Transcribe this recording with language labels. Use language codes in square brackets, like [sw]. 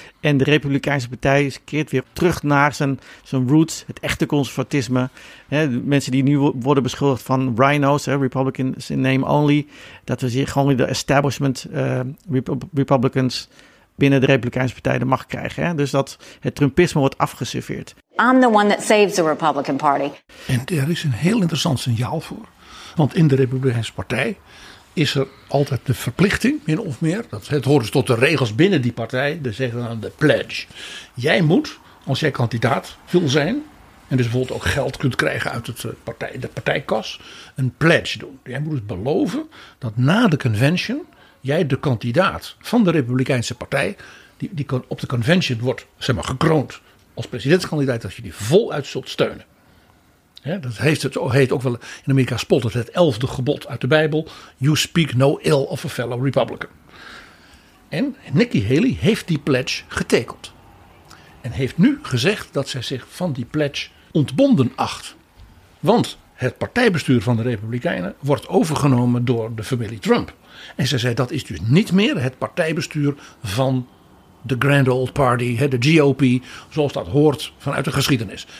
[nl] En de Republikeinse Partij keert weer terug naar zijn roots, het echte conservatisme. De mensen die nu worden beschuldigd van rhinos, [en] Republicans in name only. [nl] Dat we hier gewoon de establishment Republicans binnen de Republikeinse Partij de macht krijgen. Dus dat het Trumpisme wordt afgeserveerd. [en] I'm the one that saves the Republican Party. [nl] En er is een heel interessant signaal voor. Want in de Republikeinse Partij is er altijd de verplichting, min of meer. Het hoort dus tot de regels binnen die partij. De zogenaamde pledge. Jij moet, als jij kandidaat wil zijn, en dus bijvoorbeeld ook geld kunt krijgen uit de partijkas, een pledge doen. Jij moet dus beloven dat na de convention jij de kandidaat van de Republikeinse Partij, die op de convention wordt gekroond als presidentskandidaat, dat je die voluit zult steunen. Ja, dat heet ook wel in Amerika spottend het 11e gebod uit de Bijbel. [en] You speak no ill of a fellow Republican. [nl] En Nikki Haley heeft die pledge getekend. En heeft nu gezegd dat zij zich van die pledge ontbonden acht. Want het partijbestuur van de Republikeinen wordt overgenomen door de familie Trump. En zij zei dat is dus niet meer het partijbestuur van de Grand Old Party, de GOP, zoals dat hoort vanuit de geschiedenis.